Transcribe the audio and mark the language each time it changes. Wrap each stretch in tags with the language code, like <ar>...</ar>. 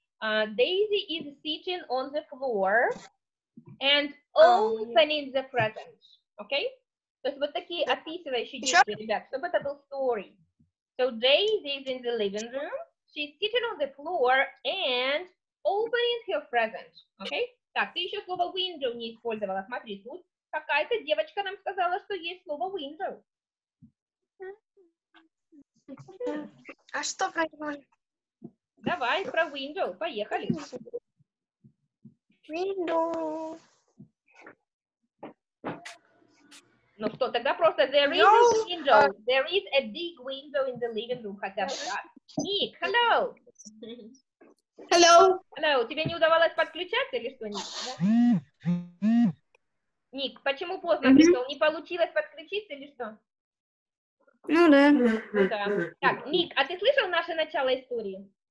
<en>Daisy is sitting on the floor and opening the present. Okay?</en> <ru>То есть вот такие описывающие действия, sure. Ребят, чтобы это был</ru> <en>story. So Daisy is in the living room. She's sitting on the floor and opening her present. Okay?</en> <ru>Так, ты еще слово window не использовала. Смотри, тут какая-то девочка нам сказала, что есть слово window. А что про него? Давай про window. Поехали.</ru> <en>Window.</en> <ru>Ну что, тогда просто</ru> <en>there is a window. There is a big window in the living room.</en> <ru>Хотя бы так. Ник, hello.</ru> <en>Hello. Hello.</en> <ru>Тебе не удавалось подключаться или что, Ник? Да? Ник, почему поздно пришел? Не получилось подключиться или что? Ну да. Да. Так, Ник, а ты слышал наше начало истории?</ru>